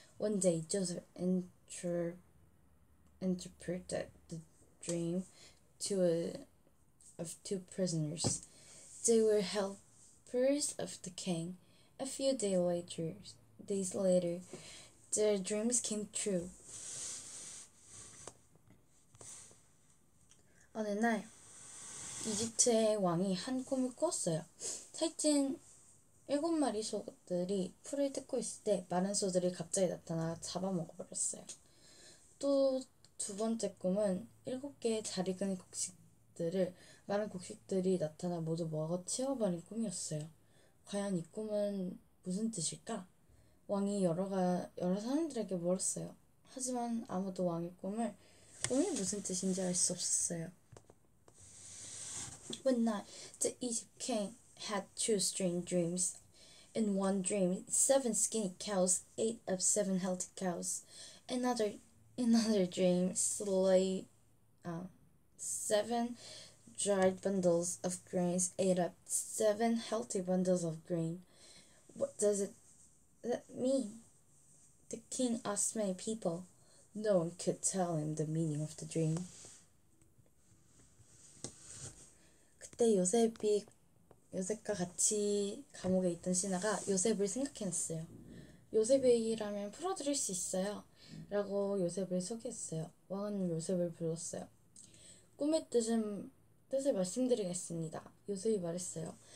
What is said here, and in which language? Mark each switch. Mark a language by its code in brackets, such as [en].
[en] One day, Joseph interpreted the dream of two prisoners. They were helpers of the king. A few days later, their dreams came true. [ko] 어느 날 이집트의 왕이 한 꿈을 꾸었어요. 살찐 7마리 소들이 풀을 뜯고 있을 때 마른 소들이 갑자기 나타나 잡아먹어버렸어요. 또 두 번째 꿈은 7개의 잘 익은 곡식들을 마른 곡식들이 나타나 모두 먹어 치워버린 꿈이었어요. 과연 이 꿈은 무슨 뜻일까? 왕이 여러 사람들에게 물었어요. 하지만 아무도 왕의 꿈이 무슨 뜻인지 알 수 없었어요. [en] When night, the Egypt king had two strange dreams. In one dream, seven skinny cows ate up seven healthy cows. Another dream, seven dried bundles of grains ate up seven healthy bundles of grain. What does it that mean? The king asked many people. No one could tell him the meaning of the dream. [ko] 그때 요셉과 같이 감옥에 있던 신하가 요셉을 생각해냈어요. 요셉이라면 풀어드릴 수 있어요. 라고 요셉을 소개했어요. 왕은 요셉을 불렀어요. 꿈의 뜻을 말씀드리겠습니다. 요셉이 말했어요.